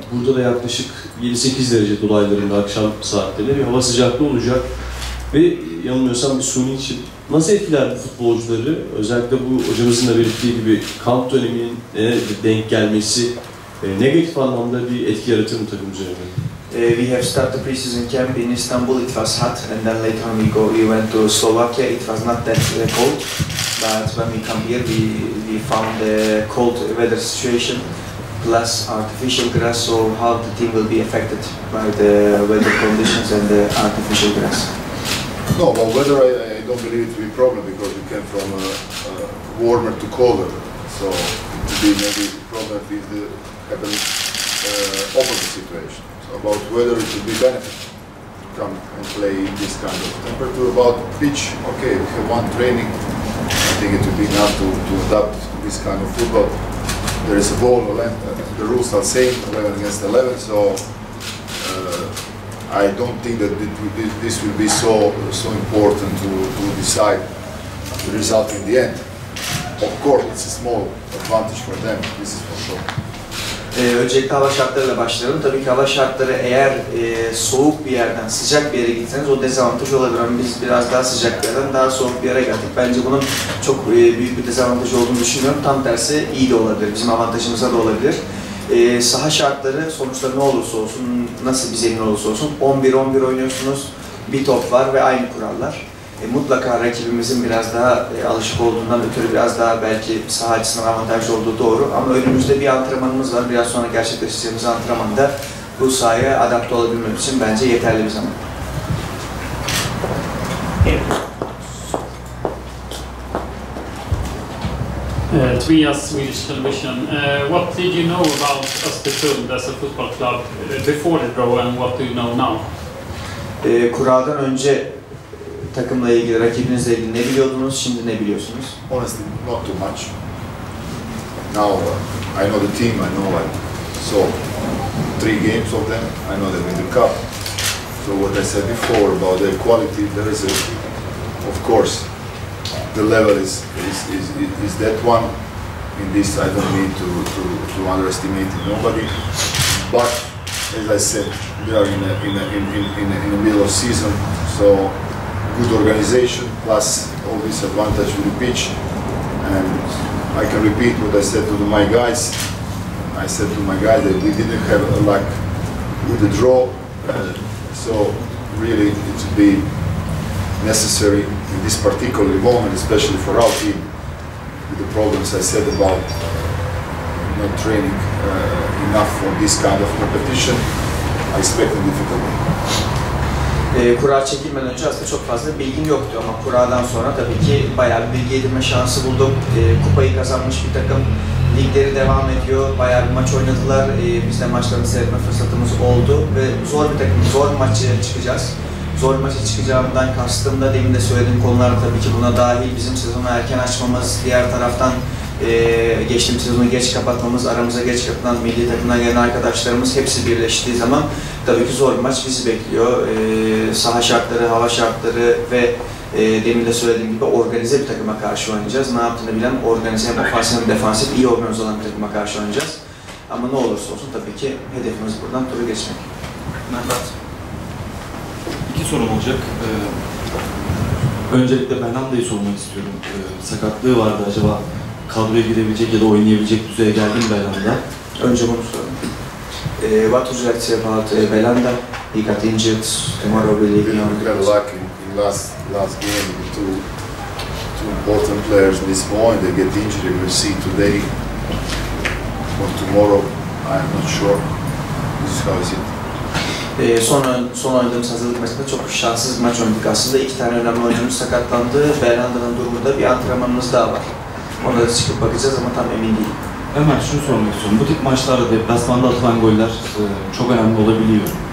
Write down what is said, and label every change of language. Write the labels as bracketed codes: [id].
[tr] Burada da yaklaşık 7-8 derece dolaylarında akşam saatleri. Hava sıcaklığı olacak. Ve yanılmıyorsam bir suni için. Nasıl etkiler bu futbolcuları? Özellikle bu hocamızın da belirttiği gibi kamp döneminin denk gelmesi negatif anlamda bir etki yaratır mı takım üzerinde? [en] We have started the pre-season camp in Istanbul. It was hot, and then later on we went to Slovakia. It was not that cold, but when we come here, we found the cold weather situation plus artificial grass. So how the team will be affected by the weather conditions and the artificial grass? No, well, weather I don't believe it to be a problem because we came from warmer to colder. So it would be maybe a problem if it happens opposite situation. About whether it would be benefit to come and play in this kind of temperature. About pitch, okay, we have one training. I think it would be enough to adapt to this kind of football. There is a ball, the rules are same, 11 against 11, so I don't think that this will be so important to decide the result in the end. Of course, it's a small advantage for them, this is for sure. [tr] Öncelikle hava şartlarıyla başlayalım. Tabii ki hava şartları eğer soğuk bir yerden sıcak bir yere gitseniz o dezavantaj olabilir. Ama biz biraz daha sıcaklardan daha soğuk bir yere geldik. Bence bunun çok büyük bir dezavantaj olduğunu düşünmüyorum. Tam tersi iyi de olabilir. Bizim avantajımıza da olabilir. Saha şartları sonuçta ne olursa olsun, nasıl bir zemin olursa olsun 11-11 oynuyorsunuz. Bir top var ve aynı kurallar. Mutlaka rakibimizin biraz daha alışık olduğundan ötürü biraz daha belki saha açısından avantajlı olduğu doğru. Ama önümüzde bir antrenmanımız var. Biraz sonra gerçekleştireceğimiz antrenmanda bu sahaya adapte olabilmek için bence yeterli bir zaman. [en] Tobias, Swedish Television. What did you know about Östersund as a football club before the draw and what do you know now? [tr] Kura'dan önce takımla ilgili, rakibinizle ilgili ne biliyordunuz, şimdi ne biliyorsunuz? [en] Honestly, not too much. Now, I know the team, I know I saw 3 games of them, I know them in the cup. So what I said before about their quality, there is a, of course, the level is that one. In this, I don't need to underestimate nobody. But as I said, we are in the middle of season, so good organization plus all this advantage with the pitch. And I can repeat what I said to my guys. I said to my guys that we didn't have a luck with the draw. So really, it would be necessary in this particular moment, especially for our team, with the problems I said about not training enough for this kind of competition. I expect a difficult one. [tr] Kura çekilmeden önce aslında çok fazla bilgim yoktu ama Kura'dan sonra tabii ki bayağı bir bilgi edinme şansı buldum. Kupayı kazanmış bir takım, ligleri devam ediyor, bayağı bir maç oynadılar. Biz de maçlarını seyretme fırsatımız oldu ve zor bir takım, zor bir maçı çıkacağız. Zor bir maçı çıkacağımdan kastım da demin de söylediğim konular tabii ki buna dahil. Bizim sezonu erken açmamız, diğer taraftan geçtiğimiz sezonu geç kapatmamız, aramıza geç kapatan milli takımdan gelen arkadaşlarımız hepsi birleştiği zaman tabii ki zor bir maç bizi bekliyor. Saha şartları, hava şartları ve demin de söylediğim gibi organize bir takıma karşı oynayacağız. Ne yaptığını bilen organize hem ofansif hem defansif iyi oynayacağız olan bir takıma karşı oynayacağız. Ama ne olursa olsun tabii ki hedefimiz buradan turu geçmek. Mehmet. İki sorum olacak. Öncelikle Fernando'yu sormak istiyorum. Sakatlığı vardı acaba? Kadroya girebilecek ya da oynayabilecek düzeye geldi mi Belanda? Önce bunu soralım. [en] What would you like to say about Belanda? He got injured tomorrow, will he be on? We had luck in last game with two important players this morning. They get injured, we'll see today or tomorrow. I am not sure. This is how is it? [tr] Son oynadığımız hazırlık maçında çok şanssız bir maç oynadık aslında. İki tane önemli oyuncumuz sakatlandı. Belanda'nın durumu da bir antrenmanımız daha var. Ona da çıkıp bakacağız ama tam emin değilim. Hemen şunu sormak istiyorum. Bu tip maçlarda deplasmanda atılan goller çok önemli olabiliyor.